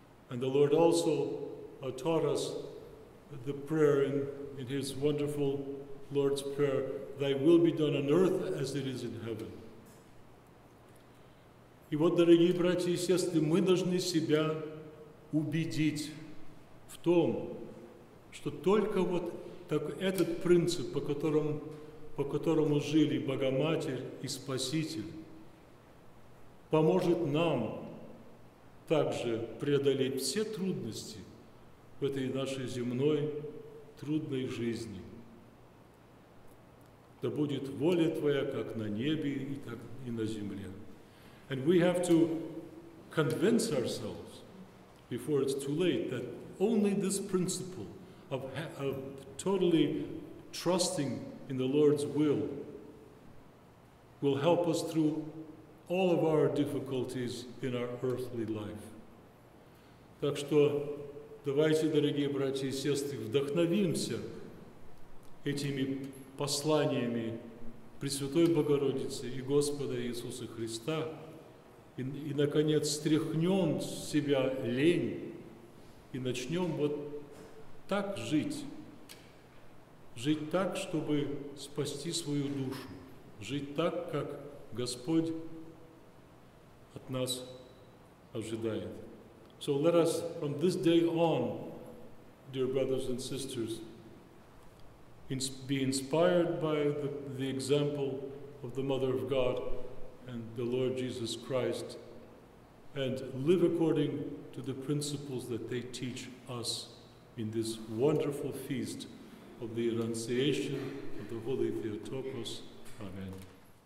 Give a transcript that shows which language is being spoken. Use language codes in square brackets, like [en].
[en] And the Lord also taught us the prayer in his wonderful Lord's Prayer, thy will be done on earth as it is in heaven. [ru] И вот, дорогие братья и сестры, мы должны себя убедить в том, что только вот так этот принцип, по которому жили Богоматерь и Спаситель, поможет нам также преодолеть все трудности в этой нашей земной трудной жизни. Да будет воля Твоя, как на небе, так и на земле. [en] And we have to convince ourselves before it's too late that only this principle of totally trusting in the Lord's will help us through all of our difficulties in our earthly life. [ru] Так что давайте, дорогие братья и сестры, вдохновимся этими посланиями Пресвятой Богородицы и Господа Иисуса Христа и наконец, стряхнем с себя лень и начнем вот так жить. Жить так, чтобы спасти свою душу. Жить так, как Господь от нас ожидает. [en] So let us, from this day on, dear brothers and sisters, be inspired by the example of the Mother of God and the Lord Jesus Christ, and live according to the principles that they teach us in this wonderful feast of the Annunciation of the Holy Theotokos. Amen.